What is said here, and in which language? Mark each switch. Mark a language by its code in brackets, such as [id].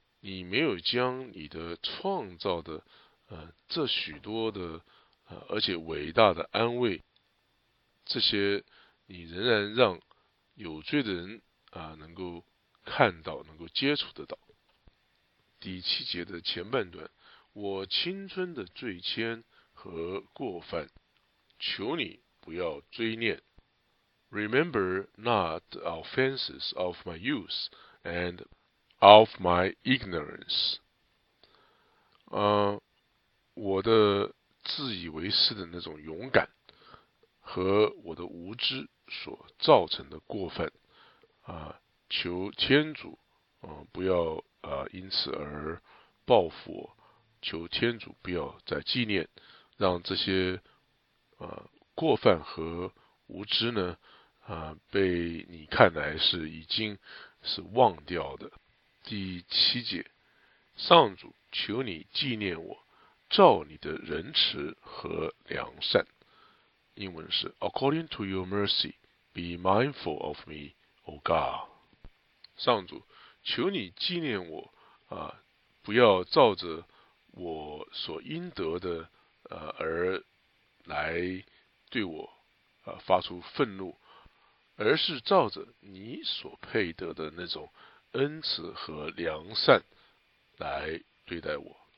[zh] 你没有将你的创造的这许多的而且伟大的安慰，这些你仍然让有罪的人能够看到，能够接触得到。第七节的前半段，我青春的罪愆和过犯，求你不要追念。 [en] Remember not the offenses of my youth and of my ignorance. [zh] 我的自以为是的那种勇敢和我的无知所造成的过分求天主不要因此而报复我，求天主不要再纪念，让这些过犯和无知呢被你看来是已经是忘掉的。第七节，上主，求你纪念我，照你的仁慈和良善。英文是 [en] According to your mercy, be mindful of me, O God. [zh] 上主，求你纪念我不要照着我所应得的而来对我发出愤怒，而是照着你所配得的那种恩慈和良善来对待我。